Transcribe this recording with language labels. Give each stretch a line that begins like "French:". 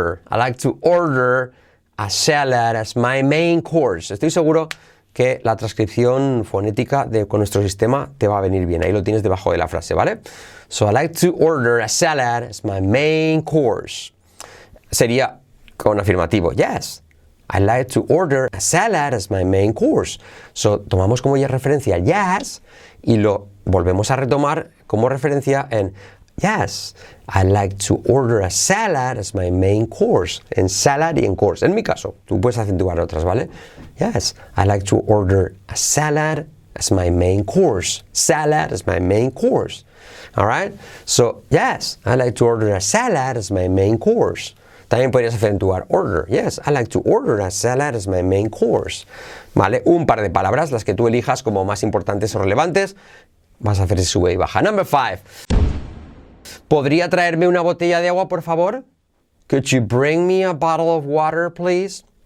English: I like to order a salad as my main course.
Spanish: Estoy seguro que la transcripción fonética de con nuestro sistema te va a venir bien. Ahí lo tienes debajo de la frase, ¿vale?
English: So I like to order a salad as my main course.
Spanish: Sería con afirmativo.
English: Yes. I like to order a salad as my main course.
Spanish: So tomamos como ya referencia yes y lo volvemos a retomar como referencia en yes,
English: I like to order a salad as my main course.
Spanish: En salad y en course. En mi caso, tú puedes acentuar otras, ¿vale?
English: Yes, I like to order a salad as my main course. Salad as my main course. All right? So, yes, I like to order a salad as my main course.
Spanish: También podrías acentuar order.
English: Yes, I like to order a salad as my main course.
Spanish: ¿Vale? Un par de palabras, las que tú elijas como más importantes o relevantes. Vas a hacer ese sube y baja.
English: Number five.
Spanish: ¿Podría traerme una botella de agua, por favor?
English: Could you bring me a bottle of water, please?